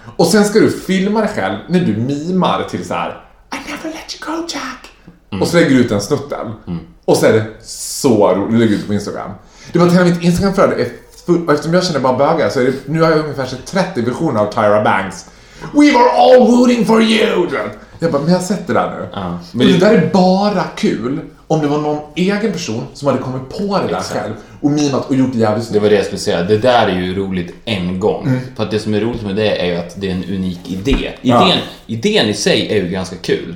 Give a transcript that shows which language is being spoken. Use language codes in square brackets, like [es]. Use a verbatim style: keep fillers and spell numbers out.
[sv] Och sen ska du filma dig själv när du mimar till så här: [en] I never let you go Jack. [sv] Mm. Och så lägger du ut den snutten. Mm. Och så är det så roligt. Nu lägger ut på Instagram. Det var till hela mitt Instagramflöde är full, och eftersom jag känner bara bögar så är det, nu har jag ungefär trettio versioner av Tyra Banks. [en] We were all rooting for you. [sv] Jag bara, men jag har sett det där nu. Ja, men det, det där är bara kul om det var någon egen person som hade kommit på det där själv och mimat och gjort det jävligt. Det var det jag skulle säga. Det där är ju roligt en gång. Mm. För att det som är roligt med det är ju att det är en unik idé. Idén, ja. idén i sig är ju ganska kul.